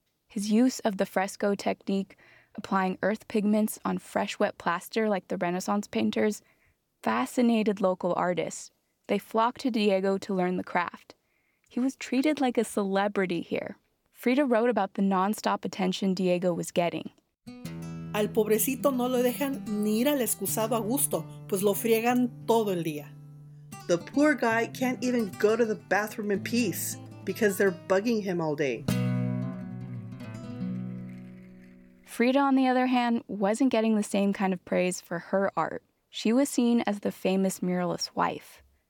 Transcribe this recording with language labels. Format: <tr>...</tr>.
<en>His use of the fresco technique, applying earth pigments on fresh wet plaster like the Renaissance painters, fascinated local artists. They flocked to Diego to learn the craft. He was treated like a celebrity here. Frida wrote about the nonstop attention Diego was getting.</en> <es>Al pobrecito no lo dejan ni ir al excusado a gusto, pues lo friegan todo el día.</es> <en>The poor guy can't even go to the bathroom in peace because they're bugging him all day. Frida, on the other hand, wasn't getting the same kind of praise for her art. She was seen as the famous muralist's wife.</en>